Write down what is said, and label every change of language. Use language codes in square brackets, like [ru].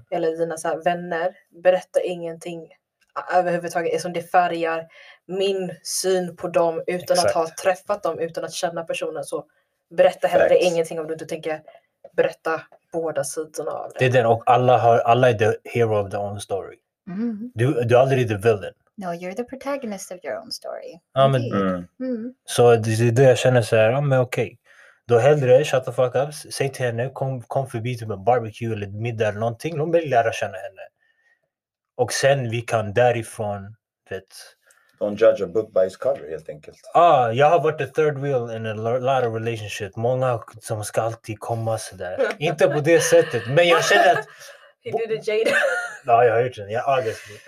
[sv] Eller dina så här vänner. Berätta ingenting överhuvudtaget. Eftersom det färgar min syn på dem. Utan exakt. Att ha träffat dem. Utan att känna personen. Så berätta hellre exakt. Ingenting om du inte tänker berätta båda sidorna av det. Det är den. Och alla är [en] the hero of their own story. Mm. [sv] Du är aldrig [en] the villain. No, you're the protagonist of your own story. [sv] Ja, men, mm. Mm. Så det är det jag känner så här. Ja, men okej. Okay. Då hellre, [en] shut the fuck up, [sv] säg till henne, kom förbi till en barbecue eller middag eller någonting. Hon vill lära känna henne. Och sen vi kan därifrån, vet. [en] Don't judge a book by its cover, [sv] helt enkelt. Ah, jag har varit [en] the third wheel in a lot of relationship. [sv] Många som ska alltid komma så där. Inte på det sättet, men jag känner att... [en] He did it, Jade. [sv] Ja, jag har gjort den. Jag är August.